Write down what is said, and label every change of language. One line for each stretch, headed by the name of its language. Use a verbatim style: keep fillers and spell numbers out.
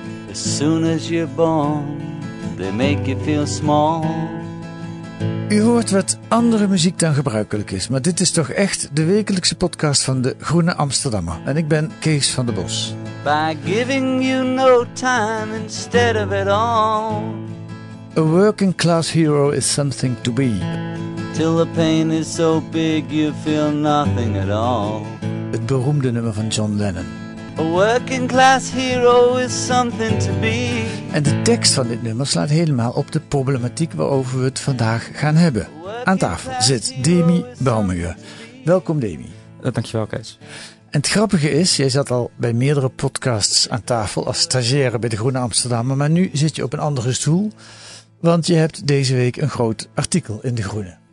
English: As soon as you're born, they make you feel small.
Dutch: U hoort wat andere muziek dan gebruikelijk is, maar dit is toch echt de wekelijkse podcast van de Groene Amsterdammer. En ik ben Kees van der Bos.
English: By giving you no time instead of it all. A working class hero is something to be. Till the pain is so big you feel nothing at all.
Dutch: Het beroemde nummer van John Lennon.
English: A working class hero is something to be.
Dutch: En de tekst van dit nummer slaat helemaal op de problematiek waarover we het vandaag gaan hebben. Aan tafel zit Demi Bouwmeyer. Welkom Demi. Dankjewel Kees. En het grappige is, jij zat al bij meerdere podcasts aan tafel als stagiaire bij de Groene Amsterdammer, maar nu zit je op een andere stoel, want je hebt deze week een groot artikel in de Groene.